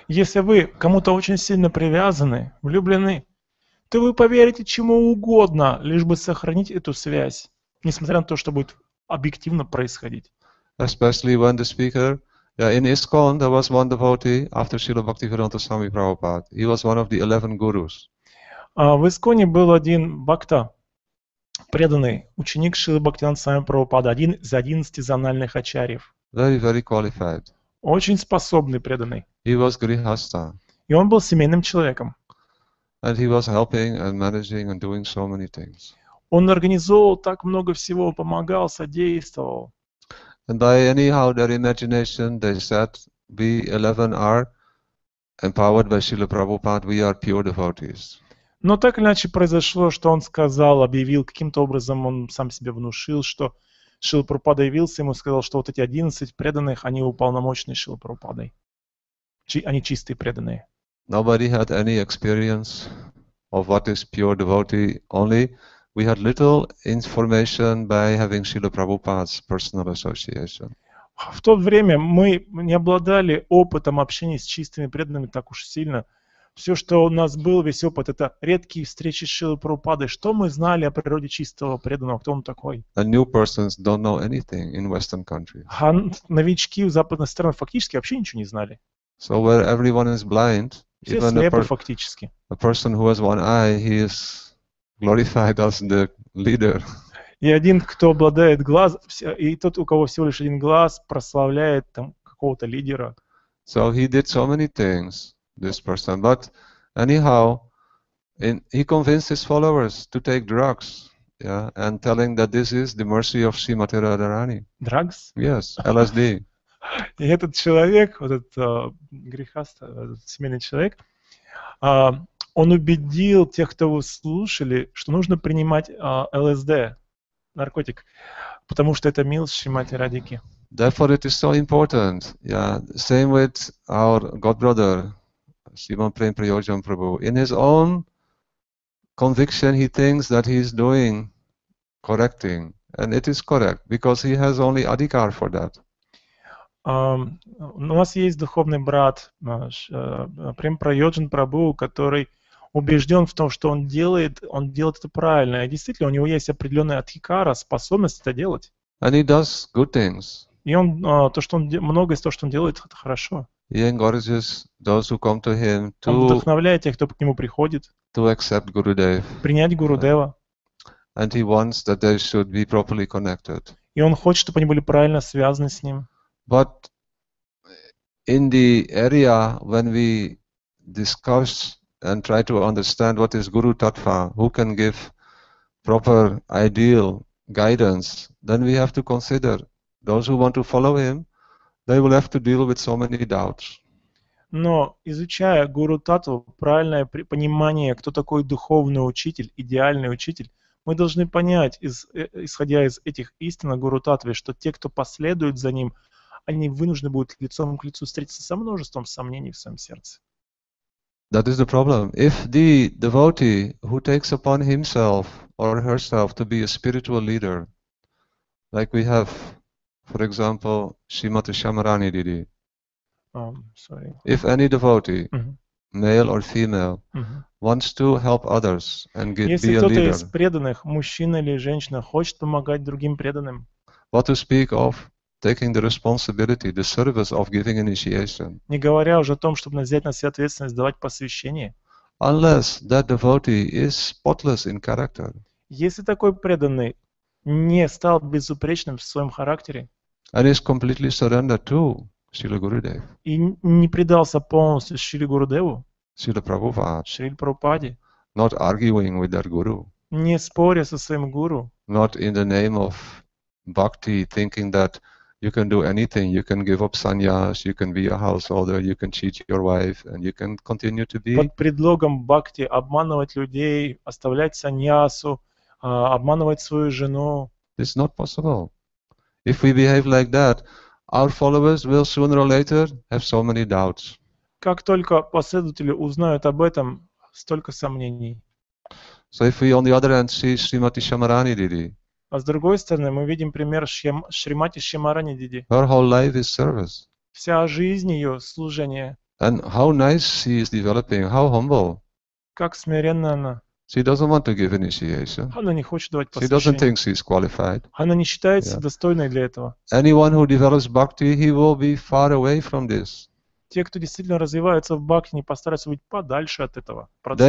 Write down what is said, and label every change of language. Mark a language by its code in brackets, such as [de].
[ru] Если вы кому-то очень сильно привязаны, влюблены, то вы поверите чему угодно, лишь бы сохранить эту связь, несмотря на то, что будет объективно происходить. [en] Especially when the speaker, yeah, in ISKCON there was one devotee after Srila Bhaktivedanta Swami Prabhupada. He was one of the 11 gurus. [ru] В ИСККОНе был один бхакта, преданный ученик Шрилы Бхактивинода Свами Прабхупады, один из 11 зональных ачарьев. [en] Very, very qualified. [ru] Очень способный преданный. [en] He was grihastha. [ru] И он был семейным человеком. [en] And he was helping and managing and doing so many things. [ru] Он организовал так много всего, помогал, содействовал. [en] And by anyhow their imagination, they said, we 11 are empowered by Srila Prabhupada, we are pure devotees. [ru] Но так или иначе произошло, что он сказал, объявил, каким-то образом он сам себе внушил, что Шрила Прабхупада явился, ему сказал, что вот эти 11 преданных, они уполномочены Шрила Прабхупадой. Они чистые преданные. [en] Nobody had any experience of what is pure devotee only. We had little information by having Srila Prabhupada's personal association. [ru] В то время мы не обладали опытом общения с чистыми преданными так уж сильно. Все, что у нас был, весь опыт, это редкие встречи с Шрилой Прабхупадой. Что мы знали о природе чистого преданного? Кто он такой? [en] And new persons don't know anything in Western countries. [ru] А новички в западных странах фактически вообще ничего не знали. [en] So where everyone is blind, [ru] все [en] even [ru] слепы фактически. [en] A person who has one eye, he is glorified as the leader. [ru] И один, кто обладает глазом, и тот, у кого всего лишь один глаз, прославляет там какого-то лидера. [en] So he did so many things, this person. But anyhow, he convinced his followers to take drugs, yeah, and telling that this is the mercy of Srimati Radharani. Drugs? Yes, LSD. [ru] И этот человек, вот этот грехаста, этот семейный человек, он убедил тех, кто его слушали, что нужно принимать ЛСД, наркотик, потому что это милость Шримати Радики. [en] Therefore it is so important. Yeah. Same with our godbrother, Sriman Prem Prayojan Prabhu. In his own conviction, he thinks that he is doing correcting. And it is correct, because he has only adhikar for that. [ru] У нас есть духовный брат, Прайоджан Прабу, который убежден в том, что он делает это правильно. И действительно, у него есть определенная адхикара, способность это делать. [en] And he does good things. [ru] И он, то, что он, многое из того, что он делает, это хорошо. [en] He encourages those who come to him to, [ru] он вдохновляет тех, кто к нему приходит, [en] to accept Gurudev. [ru] Принять Гурудева. [en] And he wants that they should be properly connected. [ru] И он хочет, чтобы они были правильно связаны с ним. [en] But in the area when we discuss and try to understand what is Guru Tattva, who can give proper ideal guidance, then we have to consider those who want to follow him, they will have to deal with so many doubts. [ru] Но изучая Гуру Таттву, правильное понимание, кто такой духовный учитель, идеальный учитель, мы должны понять, исходя из этих истин о Гуру Таттве, что те, кто последует за ним, они вынуждены будут лицом к лицу встретиться со множеством сомнений в своем сердце. [en] That is the problem. If the devotee who takes upon himself or herself to be a spiritual leader, like we have, for example, Shrimati Shamarani Didi. If any devotee, male or female, wants to help others and get, [ru] если [en] be a leader. [ru] Если кто-то из преданных, мужчина или женщина, хочет помогать другим преданным. [en] What to speak of taking the responsibility, the service of giving initiation. [ru] Не говоря уже о том, чтобы взять на себя ответственность, давать посвящение. [en] Unless that devotee is spotless in character. [ru] Если такой преданный не стал безупречным в своем характере. [en] And is completely surrendered to Srila Gurudev. [ru] И не предался полностью Шриле Гурудеву. [en] Srila Prabhupada. [ru] Шриле Прабхупаде. [en] Not arguing with that guru. [ru] Не споря со своим гуру. [en] Not in the name of bhakti, thinking that you can do anything, you can give up sannyas, you can be a householder, you can cheat your wife, and you can continue to be. [ru] Под предлогом бхакти обманывать людей, оставлять саньясу, обманывать свою жену. [en] It's not possible. If we behave like that, our followers will sooner or later have so many doubts. [ru] Как только последователи узнают об этом, столько сомнений. [en] So if we on the other hand see Srimati Shamarani Didi. [ru] А с другой стороны, мы видим пример Шримати Шимарани Диди. [en] Her whole life is service. [ru] Вся жизнь ее служение. [en] And how nice she is developing, how humble. [ru] Как смиренна она. [en] She doesn't want to give initiation. [ru] Она не хочет давать посвящение. [en] She doesn't think she is qualified. [ru] Она не считается достойной для этого. [en] Anyone who develops bhakti, he will be far away from this. [ru] Те, кто действительно развиваются в бхакти, не постараются быть подальше от этого процесса.